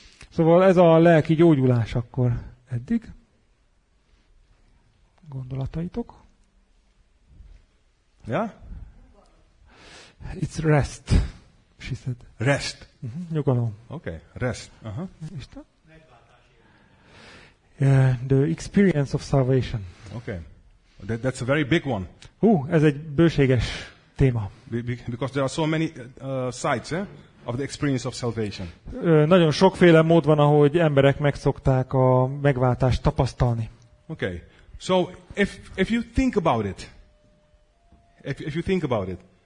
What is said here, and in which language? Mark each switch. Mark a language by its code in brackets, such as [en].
[hu] Szóval ez a lelki gyógyulás akkor eddig. Gondolataitok? [en] Yeah? It's rest, she said. Rest. [hu] Nyugalom. [en] Okay, rest. [hu] Isten? [en] The experience of salvation. Okay. That's a very big one. [hu] Ez egy bőséges téma. [en] Because there are so many sides, eh? Of the experience of salvation. [hu] Nagyon sokféle mód van, ahogy emberek megszokták a megváltást tapasztalni. [en] Okay. So if you think about it, if you think about it.